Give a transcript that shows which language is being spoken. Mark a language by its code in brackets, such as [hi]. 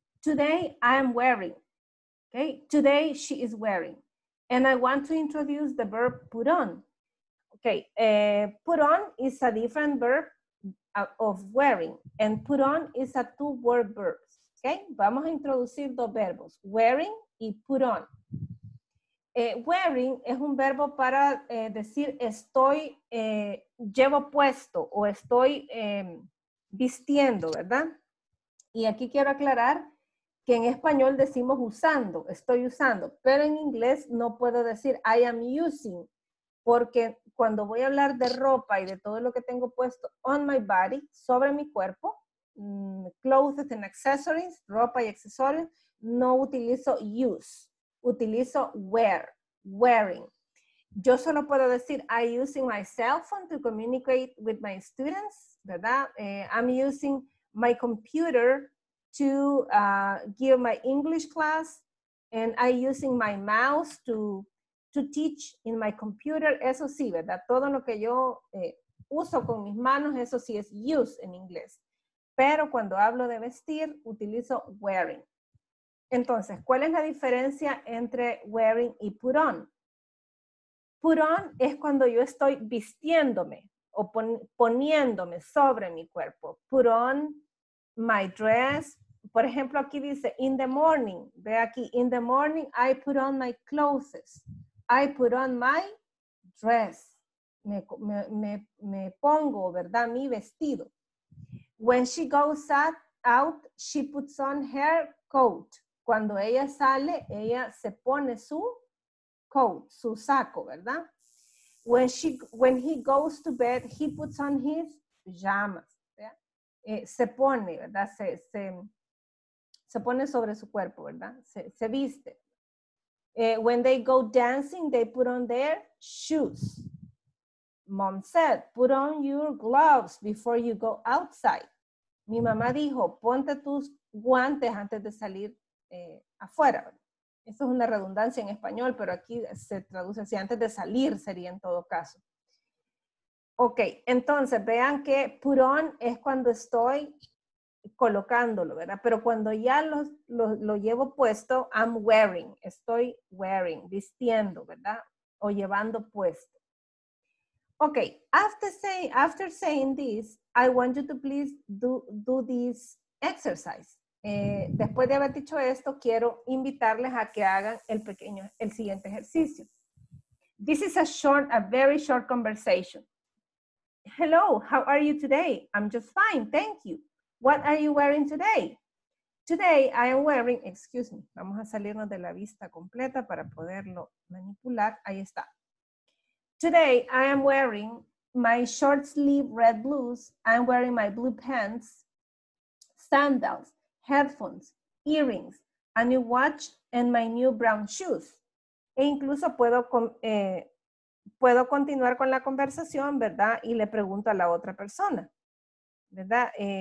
[en] Today I am wearing. Okay, today she is wearing. And I want to introduce the verb put on. Okay, put on is a different verb of wearing. And put on is a two-word verb. [es] Okay, vamos a introducir dos verbos, wearing y put on. Wearing es un verbo para decir estoy, llevo puesto o estoy vistiendo, ¿verdad? Y aquí quiero aclarar que en español decimos usando, estoy usando, pero en inglés no puedo decir [en] I am using, [es] porque cuando voy a hablar de ropa y de todo lo que tengo puesto [en] on my body, [es] sobre mi cuerpo, [en] clothes and accessories, [es] ropa y accesorios, no utilizo use, utilizo wear, wearing. Yo solo puedo decir [en] I'm using my cell phone to communicate with my students, ¿verdad? I'm using my computer to give my English class, and I'm using my mouse to teach in my computer. [es] Eso sí, ¿verdad? Todo lo que yo uso con mis manos, eso sí es use en inglés. Pero cuando hablo de vestir, utilizo wearing. Entonces, ¿cuál es la diferencia entre wearing y put on? Put on es cuando yo estoy vistiéndome o poniéndome sobre mi cuerpo. [en] Put on my dress. [es] Por ejemplo, aquí dice [en] in the morning. [es] Ve aquí, [en] in the morning I put on my clothes. I put on my dress. [es] Me pongo, ¿verdad? Mi vestido. [en] When she goes out, she puts on her coat. [es] Cuando ella sale, ella se pone su coat, su saco, ¿verdad? [en] When he goes to bed, he puts on his pajamas. [es] Se pone, ¿verdad? Se pone sobre su cuerpo, ¿verdad? Se viste. [en] When they go dancing, they put on their shoes. Mom said, put on your gloves before you go outside. [es] Mi mamá dijo, ponte tus guantes antes de salir afuera. Esto es una redundancia en español, pero aquí se traduce así, antes de salir sería en todo caso. Ok, entonces vean que put on es cuando estoy colocándolo, ¿verdad? Pero cuando ya lo llevo puesto, [en] I'm wearing, [es] estoy wearing, vistiendo, ¿verdad? O llevando puesto. [en] Okay, after saying this, I want you to please do this exercise. [es] Después de haber dicho esto, quiero invitarles a que hagan el siguiente ejercicio. [en] This is a very short conversation. Hello, how are you today? I'm just fine, thank you. What are you wearing today? Today I am wearing, excuse me, [es] vamos a salirnos de la vista completa para poderlo manipular. Ahí está. [en] Today, I am wearing my short sleeve red blues. I'm wearing my blue pants, sandals, headphones, earrings, a new watch, and my new brown shoes. [es] E incluso puedo continuar con la conversación, ¿verdad? Y le pregunto a la otra persona, ¿verdad?